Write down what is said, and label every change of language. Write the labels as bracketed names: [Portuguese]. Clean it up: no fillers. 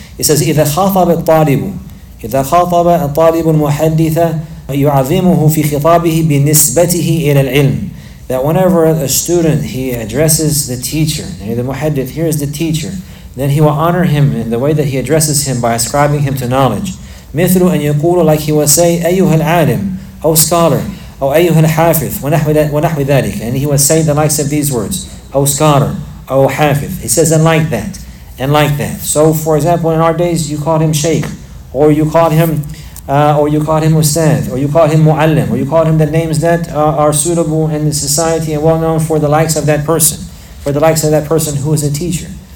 [English] He says, [Arabic] إِذَا خَاطَبَ الطَّالِبُ إِذَا خَاطَبَ الطَّالِبُ الْمُحَدِّثَ يُعَظِّمُهُ فِي خِطَابِهِ بِنِسْبَتِهِ إِلَى الْعِلْمِ. [English] That whenever a student, he addresses the teacher, and the muhaddith, here is the teacher, then he will honor him in the way that he addresses him by ascribing him to knowledge. [Arabic] مِثْلُ أَنْ يَقُولُ, [English] like he will say, [Arabic] أَيُّهَا الْعَالِمُ, [English] O scholar, O [Arabic] أَيُّهَا الْحَافِظُ, وَنَحْوِ ذَلِكَ. [English] And he will say the likes of these words, O scholar, O hafiz. He says, and like that. So for example, in our days, you call him Shaykh, or you call him Ustad, or you call him Muallim, or you call him the names that are suitable in the society and well known for the likes of that person, who is a teacher.